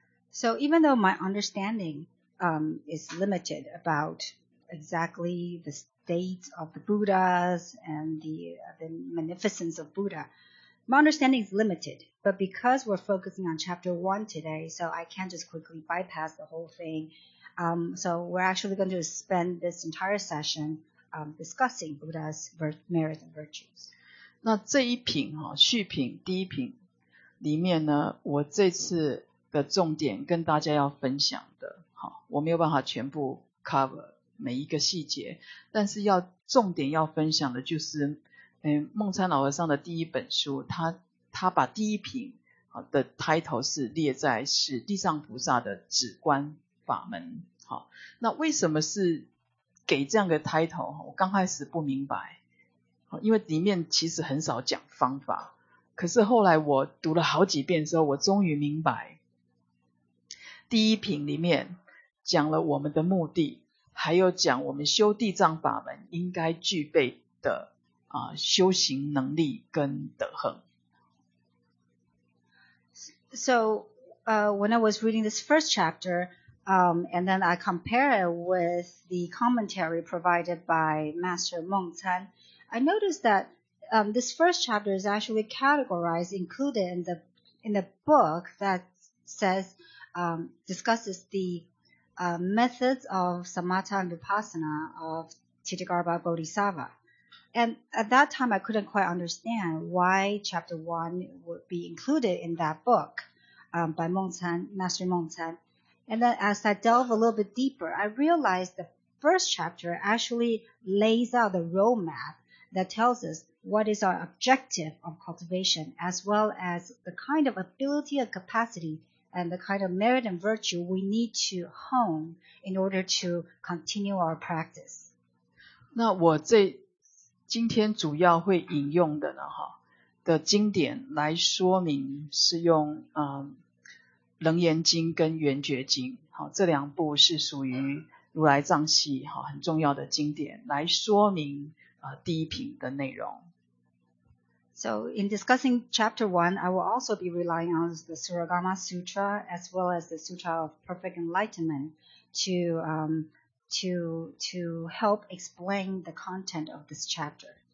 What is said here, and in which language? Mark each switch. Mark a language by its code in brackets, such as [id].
[en] So even though my understandingis limited about exactly the states of the Buddhas and the magnificence of Buddha. My understanding is limited, but because we're focusing on chapter 1 today, so I can't just quickly bypass the whole thing. So we're actually going to spend this entire session discussing Buddha's merit and virtues. [zh] 那这一品序品第一品里面呢，我这次的重点跟大家要分享的，我没有办法全部 cover 每一个细节，但是要重点要分享的就是孟参老和尚的第一本书，他把第一品的 title 是列在是地藏菩萨的止观法门。好，那为什么是给这样的 title？我刚开始不明白，因为里面其实很少讲方法，可是后来我读了好几遍之后，我终于明白，第一品里面讲了我们的目的，还有讲我们修地藏法门应该具备的修行能力跟德行。 [en] So, when I was reading this first chapter, and then I compare it with the commentary provided by Master Meng Chan, I noticed that this first chapter is actually categorized, included in the book that says, discusses the methods of Samatha and Vipassana of Titigarbha Bodhisattva. And at that time, I couldn't quite understand why chapter one would be included in that book by Meng Chan, Master Meng Chan. And then as I delve a little bit deeper, I realized the first chapter actually lays out the roadmap that tells us what is our objective of cultivation, as well as the kind of ability and capacity and the kind of merit and virtue we need to hone in order to continue our practice. [zh] 那我这今天主要会引用的呢，哈，的经典来说明是用楞严经跟圆觉经，好，这两部是属于如来藏系哈很重要的经典来说明第一品的内容。 [en] So in discussing chapter one, I will also be relying on the Surigama Sutra as well as the Sutra of Perfect Enlightenment to help explain the content of this chapter.